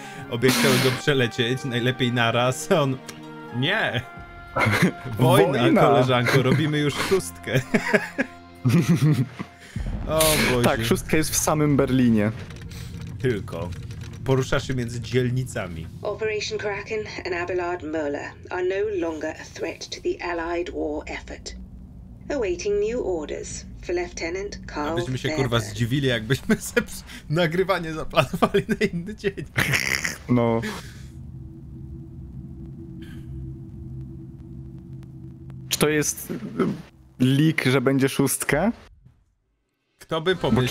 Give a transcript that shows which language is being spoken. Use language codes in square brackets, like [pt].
[pl] Obie chciały go przelecieć, najlepiej naraz. On... Nie! Wojna, koleżanko, robimy już szóstkę. O Boże. Tak, szóstka jest w samym Berlinie. Tylko. Poruszasz się między dzielnicami. [en] Operation Kraken and Abelard Möller are no longer a threat to the Allied war effort. Awaiting new orders for Lieutenant Carl. [pl] Abyśmy się kurwa zdziwili, jakbyśmy sobie nagrywanie zaplanowali na inny dzień. No. Czy to jest leak, że będzie szóstka? Kto by pomyślał?